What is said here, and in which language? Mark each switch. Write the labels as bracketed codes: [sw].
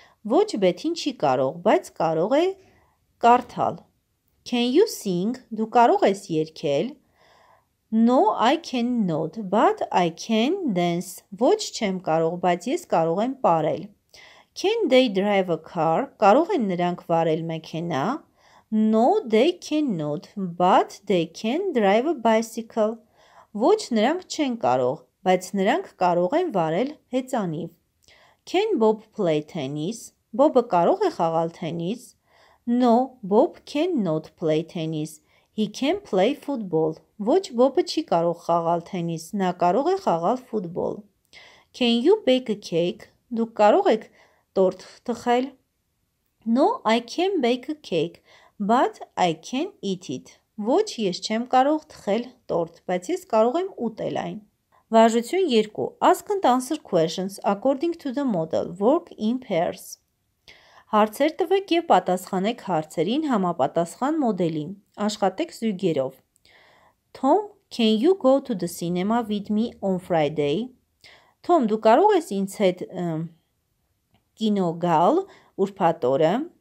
[hy] Ոչ, Betty-ն չի կարող, բայց կարող է կարդալ. [en] Can you sing? [hy] Դու կարող ես երգել? [en] No, I cannot, but I can dance. [hy] Ոչ, չեմ կարող, բայց ես կարող եմ պարել. [en] Can they drive a car? [hy] Կարող են նրանք վարել մեքենա? [en] No, they cannot, but they can drive a bicycle. [hy] Ոչ, նրանք չեն կարող, բայց նրանք կարող են վարել հեծանիվ. [en] Can Bob play tennis? [hy] Bob-ը կարող է խաղալ թենիս? [en] No, Bob cannot play tennis. He can play football. [hy] Ոչ, Bob-ը չի կարող խաղալ թենիս, նա կարող է խաղալ ֆուտբոլ. [en] Can you bake a cake? [hy] Դուք կարող եք տորտ թխել? [en] No, I can bake a cake, but I can eat it. [hy] Ոչ, ես չեմ կարող թխել տորտ, բայց ես կարող եմ ուտել այն. Վարժություն 2. [en] Ask and answer questions according to the model. Work in pairs. [hy] Հարցեր տվեք եւ պատասխանեք հարցերին համապատասխան մոդելին։ Աշխատեք զույգերով։ [en] Tom, can you go to the cinema with me on Friday? [hy] Tom, դու կարող ես ինձ հետ կինո գալ ուրբաթ օրը?